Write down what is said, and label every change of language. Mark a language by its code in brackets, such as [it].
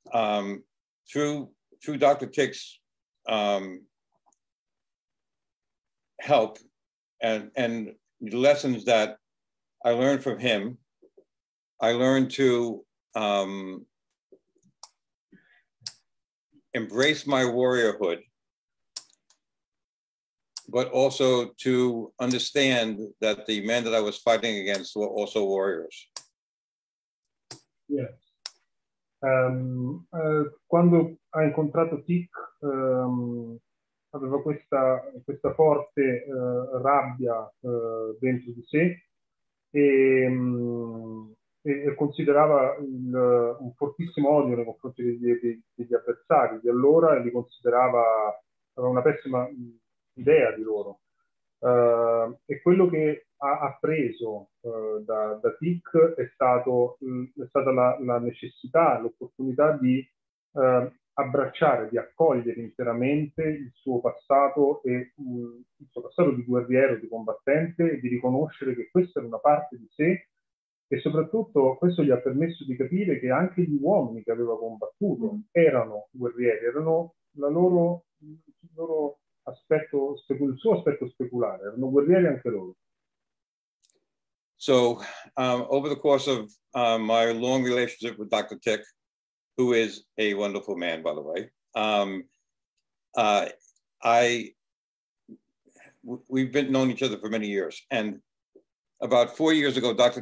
[en] And through Dr. Tick's help and the lessons that I learned from him, I learned to embrace my warriorhood, but also to understand that the men that I was fighting against were also warriors. Yes. [it] Quando ha incontrato Tick, aveva questa forte rabbia dentro di sé, e considerava un fortissimo odio nei confronti degli avversari di allora, e li considerava una pessima idea di loro. E quello che ha appreso da Tick è stata la necessità, l'opportunità di abbracciare, di accogliere interamente il suo passato e il suo passato di guerriero, di combattente, e di riconoscere che questa era una parte di sé, e soprattutto questo gli ha permesso di capire che anche gli uomini che aveva combattuto erano guerrieri, erano il suo aspetto speculare, erano guerrieri anche loro. [en] So over the course of my long relationship with Dr. Tick, who is a wonderful man, by the way. We've been known each other for many years, and about 4 years ago, Dr.